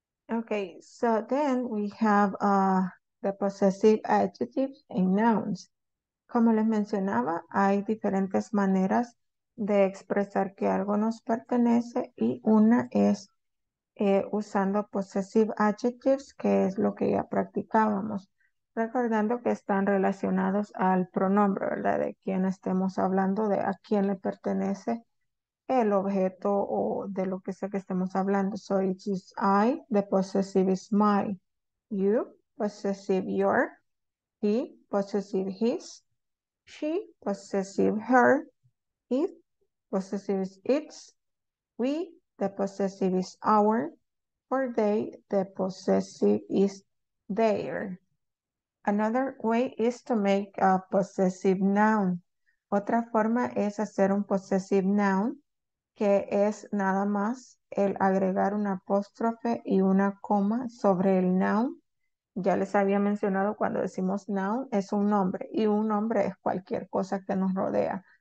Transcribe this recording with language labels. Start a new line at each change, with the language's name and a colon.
English: Okay, so then we have the possessive adjectives and nouns.
Spanish: Como les mencionaba, hay diferentes maneras de expresar que algo nos pertenece y una es usando possessive adjectives, que es lo que ya practicábamos, recordando que están relacionados al pronombre, ¿verdad? De quién estemos hablando, de a quién le pertenece el objeto o de lo que sea que estemos hablando.
English: So it is I, the possessive is my, you, possessive your, he, possessive his, she, possessive her, it, possessive is its, we, the possessive is our, or they, the possessive is their. Another way is to make a possessive noun.
Spanish: Otra forma es hacer un possessive noun, que es nada más el agregar una apóstrofe y una coma sobre el noun. Ya les había mencionado, cuando decimos noun, es un nombre, y un nombre es cualquier cosa que nos rodea.